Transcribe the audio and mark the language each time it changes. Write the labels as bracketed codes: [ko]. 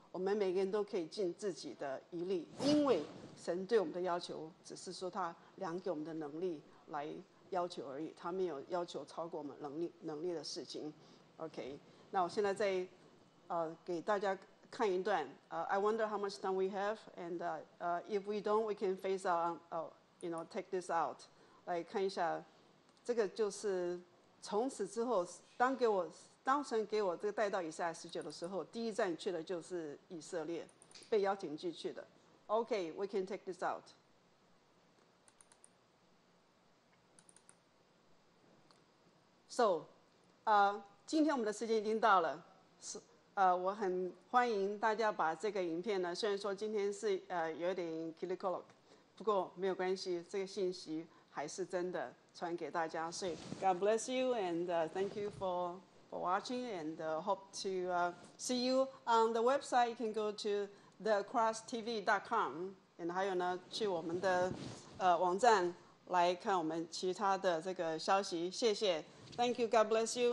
[zh] 我们每个人都可以尽自己的一力，因为神对我们的要求只是说他量给我们的能力来要求而已，他没有要求超过我们能力的事情。 OK， 那我现在在给大家看一段。 [en] I wonder how much time we have, and if we don't, we can phase out. You know, take this out. [zh] 来看一下，这个就是从此之后，当神给我这个带到以赛亚十九的时候，第一站去的就是以色列，被邀请进去的。 [en] OK, we can take this out. So, [zh] 今天我们的时间已经到了，是我很欢迎大家把这个影片呢，虽然说今天是有点 kilikolog， 不过没有关系，这个信息还是真的传给大家。所以 [en] God bless you and thank you for watching and hope to see you on the website. You can go to thecrosstv.com， [zh] 还有呢去我们的网站来看我们其他的这个消息。谢谢。 [en] Thank you. God bless you.